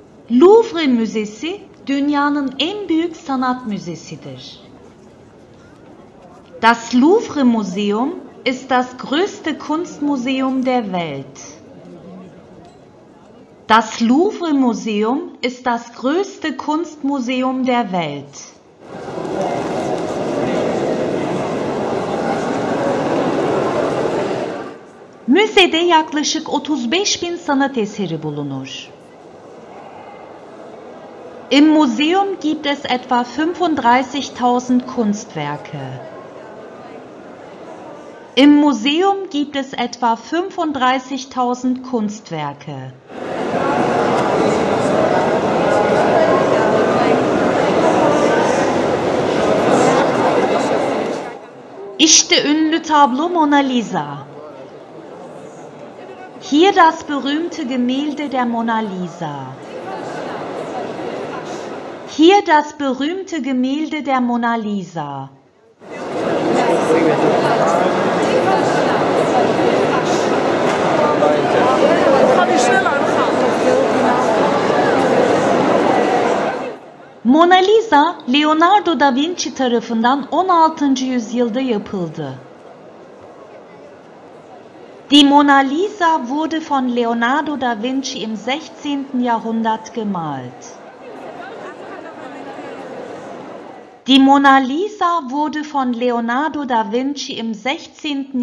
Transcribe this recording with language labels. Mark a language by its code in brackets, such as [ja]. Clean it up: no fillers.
[tr] Louvre Müzesi dünyanın en büyük sanat müzesidir. [de] Das Louvre Museum ist das größte Kunstmuseum der Welt. Das Louvre Museum ist das größte Kunstmuseum der Welt. [tr] Müzede yaklaşık 35.000 sanat eseri bulunur. [de] Im Museum gibt es etwa 35.000 Kunstwerke. Im Museum gibt es etwa 35.000 Kunstwerke. [tr] İşte ünlü tablo Mona Lisa. [de] Hier das berühmte Gemälde der Mona Lisa. Hier das berühmte Gemälde der Mona Lisa. [tr] Mona Lisa, Leonardo da Vinci tarafından 16. yüzyılda yapıldı. [de] Die Mona Lisa wurde von Leonardo da Vinci im 16. Jahrhundert gemalt. Die Mona Lisa wurde von Leonardo da Vinci im 16.